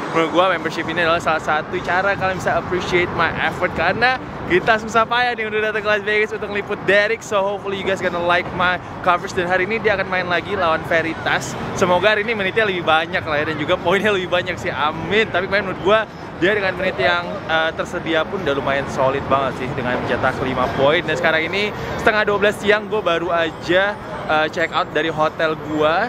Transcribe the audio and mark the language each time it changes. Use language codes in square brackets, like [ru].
[id] Menurut gue, membership ini adalah salah satu cara kalian bisa [en] appreciate my effort, [id] karena kita susah payah nih udah datang ke Las Vegas untuk ngeliput Derek. [en] So hopefully you guys gonna like my coverage. [id] Dan hari ini dia akan main lagi lawan Veritas. Semoga hari ini menitnya lebih banyak lah ya, dan juga poinnya lebih banyak sih, amin. Tapi menurut gue, dia dengan menit yang tersedia pun udah lumayan solid banget sih, dengan mencetak 5 poin. Dan sekarang ini setengah 12 siang, gue baru aja check out dari hotel gue.